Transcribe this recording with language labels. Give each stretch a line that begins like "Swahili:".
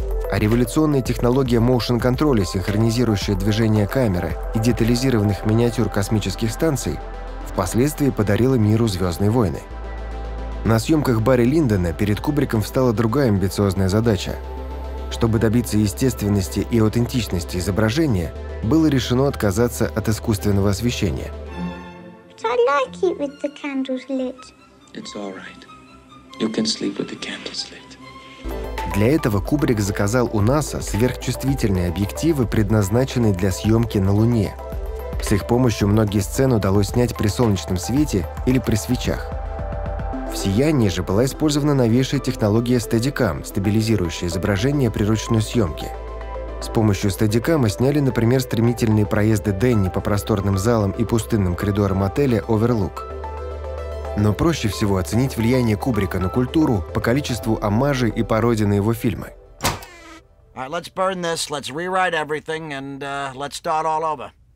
Russian: А революционная технология моушн-контроля, синхронизирующая движение камеры и детализированных миниатюр космических станций, впоследствии подарила миру «Звездные войны». На съемках Барри Линдона перед Кубриком встала другая амбициозная задача. Чтобы добиться естественности и аутентичности изображения, было решено отказаться от искусственного освещения.
English: But I like it with the candles lit. It's all right. You can sleep with the candles lit.
Russian: Для этого Кубрик заказал у НАСА сверхчувствительные объективы, предназначенные для съемки на Луне. С их помощью многие сцены удалось снять при солнечном свете или при свечах. В «Сиянии» же была использована новейшая технология Steadicam, стабилизирующая изображение при ручной съемке. С помощью Steadicam'а сняли, например, стремительные проезды Дэнни по просторным залам и пустынным коридорам отеля Overlook. Но проще всего оценить влияние Кубрика на культуру по количеству омажей и пародий на его фильмы.
English: All right, let's burn this, let's rewrite everything, and let's start all over.